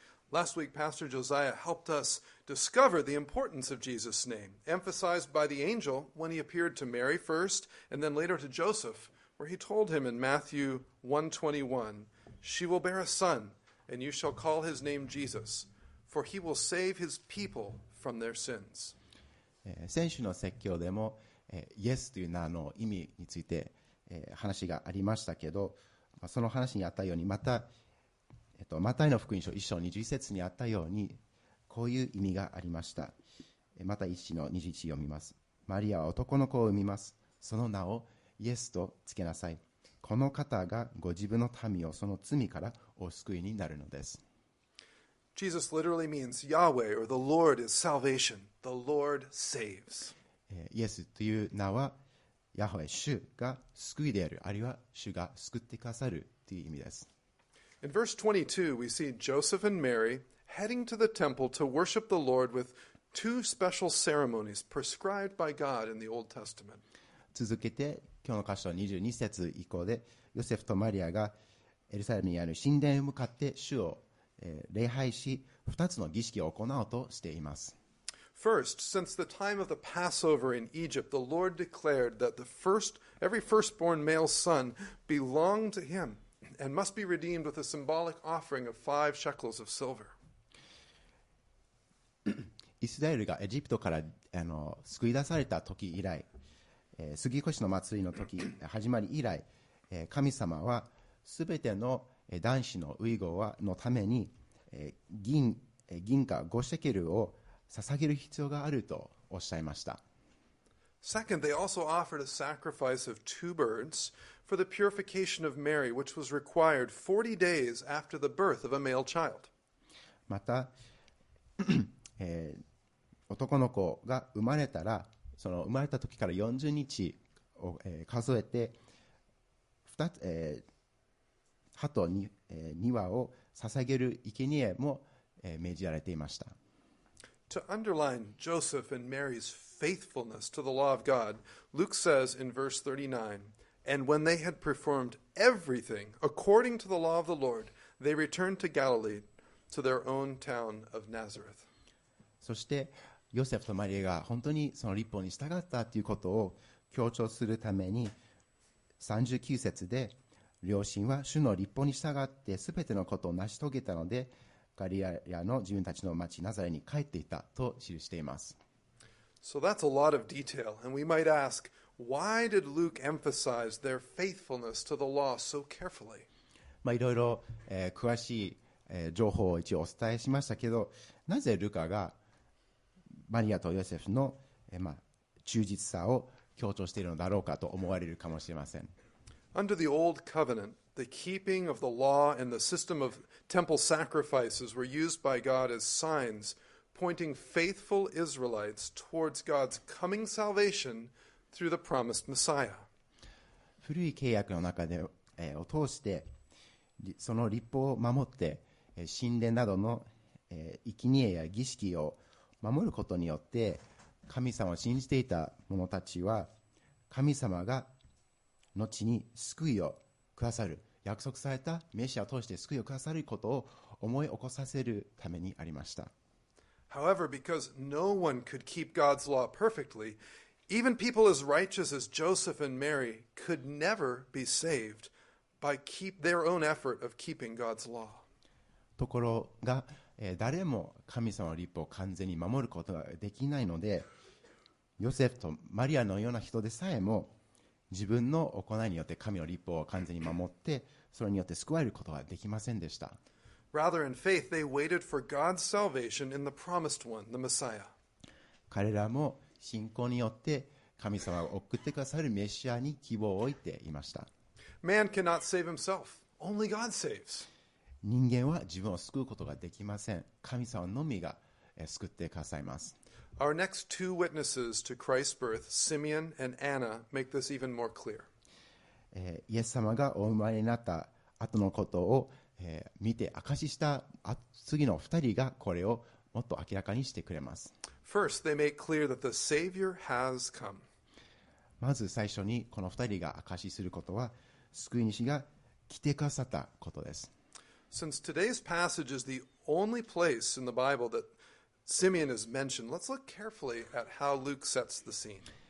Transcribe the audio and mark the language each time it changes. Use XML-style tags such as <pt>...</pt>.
<en>Last week, Pastor Josiah helped us discover the importance of Jesus' name, emphasized by the angel when he appeared to Mary first and then later to Joseph, where he told him in Matthew 1:21, She will bear a son, and you shall call his name Jesus, for he will save his people from their sins.</en> <ja>先週の説教でも、イエスという名の意味について、話がありましたけど、その話にあったように、また、マタイの福音書1章21節にあったようにこういう意味がありました。また1の21読みます。マリアは男の子を産みます。その名をイエスとつけなさい。この方がご自分の民をその罪からお救いになるのです。</ja> <en>Jesus literally means Yahweh or the Lord is salvation. The Lord saves.</en> <ja>イエスという名はヤホエ、主が救いである、あるいは主が救ってくださるという意味です。</ja> <en>In verse 22, we see Joseph and Mary heading to the temple to worship the Lord with two special ceremonies prescribed by God in the Old Testament.</en> <ja>続けて今日の箇所22節以降で、ヨセフとマリアがエルサレムにある神殿へ向かって主を礼拝し、二つの儀式を行おうとしています。</ja> <en>First, since the time of the Passover in Egypt, the Lord declared that every firstborn male son belonged to him and must be redeemed with a symbolic offering of 5 shekels of silver.</en> <ja>イスラエルがエジプトから救い出された時以来、杉越の祭りの時始まり以来、神様はすべての男子のウイゴのために銀貨5シェケルを捧げる必要があるとおっしゃいました。</ja> <en>Second, they also offered a sacrifice of 2 birds for the purification of Mary, which was required 40 days after the birth of a male child.</en> <ja>また男の子が生まれたら、その生まれた時から40日を数えて、ハトに庭を捧げる生贄も命じられていました。</ja> <en>To underline Joseph and Mary's faithfulness to the law of God, Luke says in verse 39, And when they had performed everything according to the law of the Lord, they returned to Galilee, to their own town of Nazareth.</en> <ja>そしてヨセフとマリアが本当にその律法に従ったということを強調するために39節で、両親は主の律法に従ってすべてのことを成し遂げたので、ガリラヤの自分たちの町ナザレに帰っていたと記しています。</ja> <en>So that's a lot of detail, and we might ask, why did Luke emphasize their faithfulness to the law so carefully?</en> <ja>まあ、いろいろ、詳しい、情報を一応お伝えしましたけど、なぜルカがマリアとヨセフの、まあ、忠実さを強調しているのだろうかと思われるかもしれません。</ja> <en>Under the old covenant, the keeping of the law and the system of temple sacrifices were used by God as signs pointing faithful Israelites towards God's coming salvation through the promised Messiah.</en> <ja>古い契約の中で、を通してその律法を守って神殿などの、生贄や儀式を守ることによって神様を信じていた者たちは神様が後に救いをくださる約束されたメシアを通して救いをくださることを思い起こさせるためにありました。</ja> <en>However, because no one could keep God's law perfectly, even people as righteous as Joseph and Mary could never be savedby keep their own effort of keeping God's law.</en> <ja>ところが、誰も神様の律法を完全に守ることができないので、ヨセフとマリアのような人でさえも、自分の行いによって神の律法を完全に守って、それによって救われることができませんでした。</ja> <en>Rather, in faith, they waited for God's salvation in the promised one, the Messiah.</en> <ja>彼らも信仰によって神様が送ってくださるメシアに希望を置いていました。</ja> <en>Man cannot save himself. Only God saves.</en> <ja>人間は自分を救うことができません。神様のみが救ってくださいます。</ja> <en>Our next two witnesses to Christ's birth, Simeon and Anna, make this even more clear.</en> <ja>イエス様がお生まれになった後のことを見て証しした次の二人がこれをもっと明らかにしてくれます。</ja> <en>First, they make clear that the Savior has come.</en> <ja>まず最初にこの二人が証しすることは救い主が来てくださったことです。</ja> <en>Since today's passage is the only place in the Bible that Simeon is mentioned, let's look carefully at how Luke sets the scene.</en>